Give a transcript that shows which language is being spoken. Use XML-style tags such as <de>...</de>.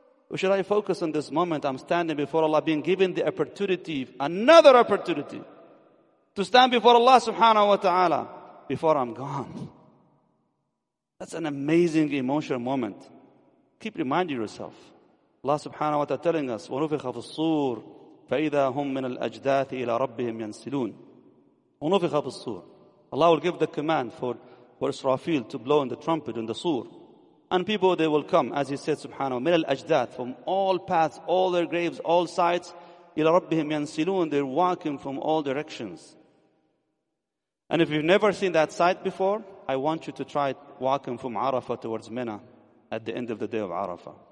<en>Or should I focus on this moment I'm standing before Allah, being given the opportunity, another opportunity, to stand before Allah subhanahu wa ta'ala before I'm gone? That's an amazing emotional moment. Keep reminding yourself.</en> <ar>Allah subhanahu wa ta'ala telling us, وَنُفِخَ فِي الصُّورِ فَإِذَا هُم مِّنَ الْأَجْدَاثِ إِلَىٰ رَبِّهِمْ يَنْسِلُونَ. وَنُفِخَ فِي الصُّورِ.</ar> <en>Allah will give the command for Israfil to blow in the trumpet in the sur. And people, they will come, as he said, subhanahu wa ta'ala,</en> <ar>مِنَ الْأَجْدَاثِ,</ar> <en>from all paths, all their graves, all sites,</en> <ar>إِلَىٰ رَبِّهِمْ يَنْسِلُونَ.</ar> <en>They're walking from all directions. And if you've never seen that site before, I want you to try walking from Arafah towards Mina at the end of the day of Arafah.</en>